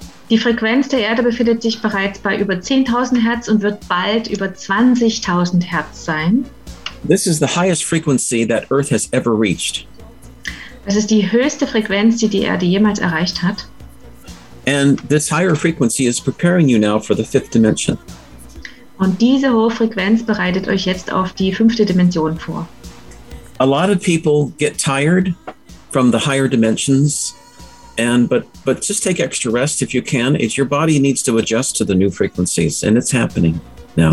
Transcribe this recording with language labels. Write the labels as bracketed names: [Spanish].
[German] Die Frequenz der Erde befindet sich bereits bei über 10,000 Hertz und wird bald über 20,000 Hertz sein. [English] This is the highest frequency that Earth has ever reached. [German] Das ist die höchste Frequenz, die die Erde jemals erreicht hat. [English] And this higher frequency is preparing you now for the fifth dimension. [German] Und diese hohe Frequenz bereitet euch jetzt auf die fünfte Dimension vor. [English] A lot of people get tired from the higher dimensions, but just take extra rest if you can. It's your body needs to adjust to the new frequencies, and it's happening now.